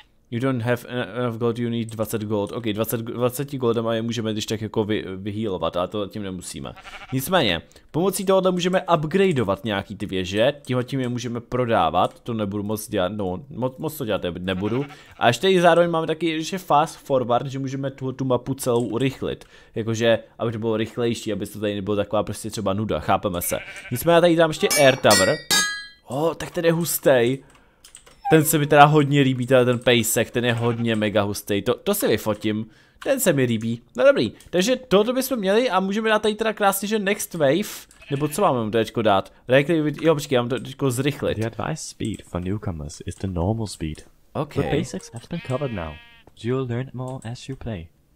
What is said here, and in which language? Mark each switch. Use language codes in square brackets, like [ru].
[en] You don't have enough gold, you need 20 gold. [cs] Ok, 20 goldama je můžeme když tak jako vyhýlovat, ale to tím nemusíme. Nicméně, pomocí tohohle můžeme upgradeovat nějaký ty věže, tím je můžeme prodávat, to nebudu moc dělat, no moc to dělat nebudu. A ještě zároveň máme taky ještě fast forward, že můžeme tu mapu celou urychlit. Jakože, aby to bylo rychlejší, aby to tady nebylo taková prostě třeba nuda, chápeme se. Nicméně já tady dám ještě air tower. Oh, tak ten je hustej. Ten se mi teda hodně líbí, teda ten pejsek, ten je hodně mega hustej, to si vyfotím, ten se mi líbí, no dobrý, takže toto bychom měli a můžeme dát tady teda krásně, že next wave, nebo co máme mu teďko dát, jo počkej, já mám to teďko zrychlit. [en] The advice speed for newcomers is the normal speed, okay. But basics have been covered now, you'll learn more as you play,